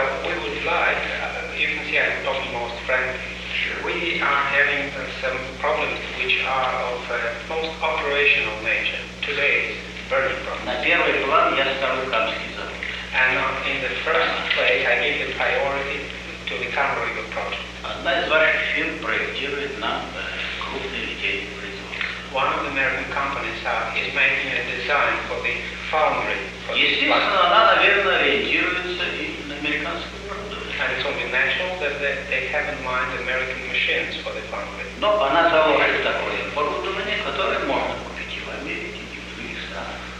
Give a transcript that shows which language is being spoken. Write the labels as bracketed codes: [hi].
[en] We would like, you can see I'm talking most frankly, we are having some problems which are of most operational nature. Today's very problem. [ru] На первый план я ставлю Камский завод. [en] And in the first place, I give the priority to the Камский завод. [ru] Одна из ваших фирм проектирует нам крупные литейные производства. [en] One of the American companies is making a design for the foundry. [ru] Естественно, она, наверное, ориентируется и на американскую продукцию. [en] And it's only natural that they have in mind American machines for the foundry. [ru] Но она заложит такое оборудование, которое можно купить и в Америке, и в других странах.